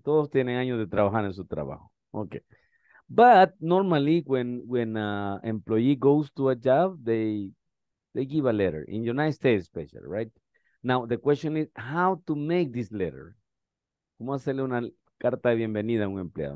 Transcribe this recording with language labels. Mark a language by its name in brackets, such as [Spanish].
[Spanish] Todos tienen años de trabajar en su trabajo. Okay. [English] But normally when an employee goes to a job, they give a letter. In the United States especially, right? Now, the question is how to make this letter. [Spanish] ¿Cómo hacerle una carta de bienvenida a un empleado?